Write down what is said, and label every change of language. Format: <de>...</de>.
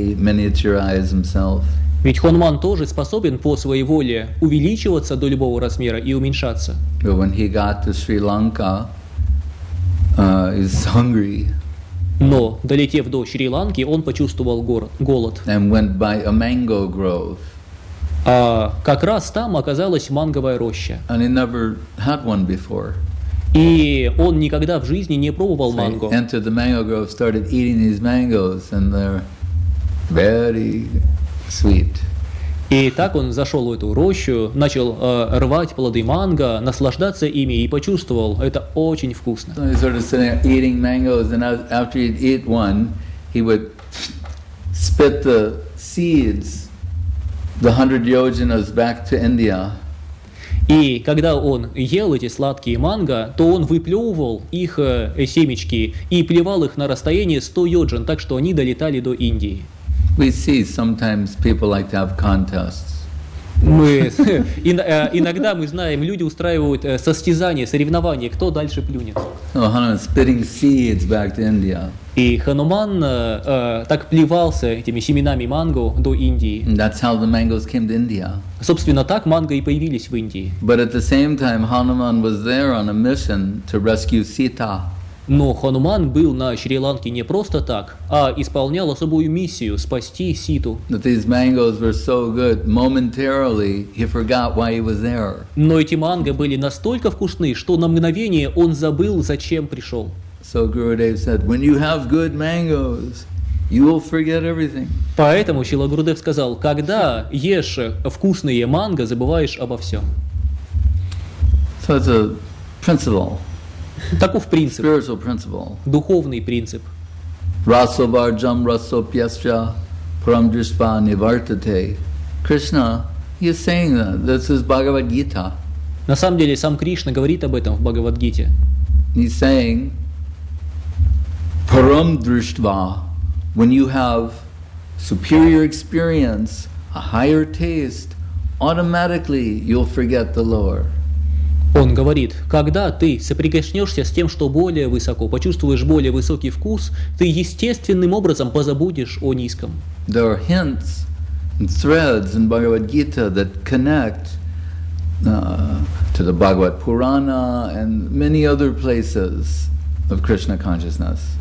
<ru>Ведь Хануман тоже способен по своей воле увеличиваться до любого размера и уменьшаться.</ru> <en>But when he got to Sri Lanka, he's hungry.</en> <ru>Но, долетев до Шри-Ланки, он почувствовал голод.</ru> <en>And went by a mango grove.</en> <ru>Как раз там оказалась манговая роща.</ru> <en>And he never had one before.</en> <ru>И он никогда в жизни не пробовал манго.</ru> <en>So he entered the mango grove, started eating these mangoes, and they're very sweet.</en> <ru>И так он зашел в эту рощу, начал рвать плоды манго, наслаждаться ими и почувствовал, это очень вкусно.</ru> <en>So he started sitting there eating mangoes, and after he'd eat one, he would spit the seeds. The 100 yojanas back to India.</en> <ru>И когда он ел эти сладкие манго, то он выплевывал их семечки и плевал их на расстояние 100 йоджан, так что они долетали до Индии.</ru> <en>We see sometimes people like to have contests.</en> <ru>Иногда мы знаем, люди устраивают состязания, соревнования, кто дальше плюнет.</ru> <en>Oh, spitting seeds back to India.</en> <ru>И Хануман так плевался этими семенами манго до Индии.</ru> <en>That's how the mangoes came to India.</en> <ru>Собственно, так манго и появились в Индии.</ru> <en>But at the same time, Hanuman was there on a mission to rescue Sita.</en> <ru>Но Хануман был на Шри-Ланке не просто так, а исполнял особую миссию – спасти Ситу.</ru> <en>That these mangoes were so good, momentarily he forgot why he was there.</en> <ru>Но эти манго были настолько вкусны, что на мгновение он забыл, зачем пришел.</ru> <en>So Gurudev said, when you have good mangoes, you will forget everything.</en> <ru>Поэтому Шрила Гурудев сказал, когда ешь вкусные манго, забываешь обо всем.</ru> <en>So it's a principle.</en> <ru>Таков принцип.</ru> <en>Spiritual principle.</en> <ru>Духовный принцип.</ru> <sa>Raso varjam raso pyascha param drishpa nivartate.</sa> <en>Krishna, he's saying that. This is Bhagavad Gita.</en> <ru>На самом деле, сам Кришна говорит об этом в Бхагавад Гите.</ru> <en>He's saying,</en> <sa>param drishtva,</sa> <en>when you have superior experience, a higher taste, automatically you'll forget the lower.</en> <ru>Он говорит, когда ты соприкоснешься с тем, что более высоко, почувствуешь более высокий вкус, ты естественным образом позабудешь о низком.</ru> <en>There are hints and threads in Bhagavad Gita that connect to the Bhagavad Purana and many other places of Krishna consciousness.</en>